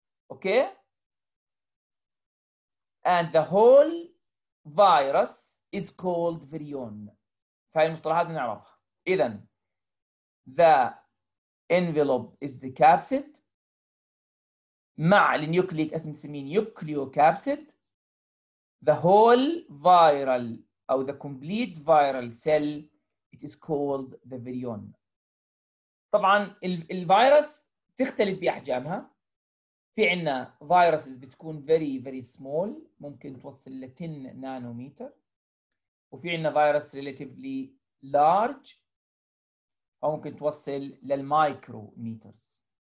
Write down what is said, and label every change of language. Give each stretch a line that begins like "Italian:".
English: Okay? And the whole virus is called virion.
Arabic: فهي المصطلحات بنعرفها. إذن
English: the envelope is the capsid
Arabic: مع النيوكليك أسيد بنسميه نيوكليو كابسيد.
English: The whole viral أو the complete viral cell it is called the virion.
Arabic: طبعاً الفيروس تختلف بأحجامها. في عنا viruses بتكون
English: very very small،
Arabic: ممكن توصل ل 10 نانومتر، وفي عنا
English: virus relatively large
Arabic: أو ممكن توصل للمايكروميترز.